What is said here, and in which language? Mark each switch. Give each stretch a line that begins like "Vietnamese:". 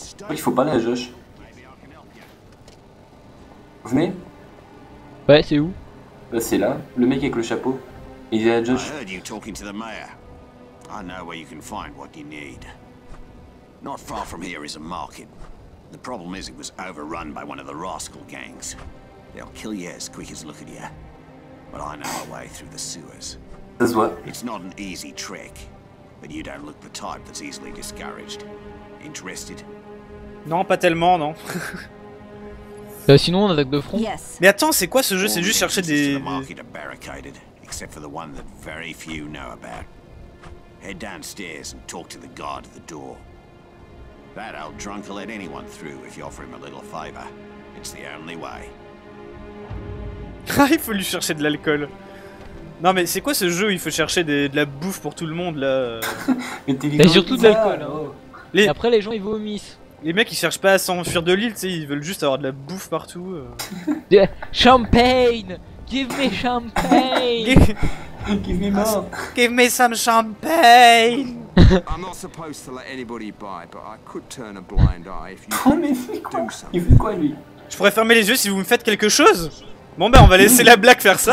French: Il faut pas la Josh. Venez. Ouais, c'est où? Bah, c'est là. Le mec avec le chapeau. Il est à Josh. J'ai entendu parler au maire. Je sais où vous pouvez trouver ce que vous avez besoin.
English: Not far from here is a market. The problem is it was overrun by one of the rascal gangs. They'll kill you as quick as look at you. But I know a way through the sewers. This what? It's not an easy trick. But you don't look the type that's easily discouraged. Interested?
French: Non, pas tellement, non. sinon, on attaque de front.
English: Yes.
French: Mais attends, c'est quoi ce jeu? C'est juste chercher des...
English: The market are barricaded, except for the one that very few know about. Head downstairs and talk to the guard at the door. That old drunk will let anyone through if you offer him a little favor. It's the only way.
French: Il faut lui chercher de l'alcool. Non mais c'est quoi ce jeu, il faut chercher de la bouffe pour tout le monde là. Mais surtout de l'alcool. Hein. Les... Après les gens ils vomissent. Les mecs ils cherchent pas à s'enfuir de l'île, tu sais, ils veulent juste avoir de la bouffe partout.
English: Champagne. Give me champagne. Give me some champagne. I'm not supposed to let anybody buy, but I could turn a blind eye if you do something.
French: Il fait quoi lui? Je pourrais fermer les yeux si vous me faites quelque chose. Bon ben on va laisser la blague faire ça.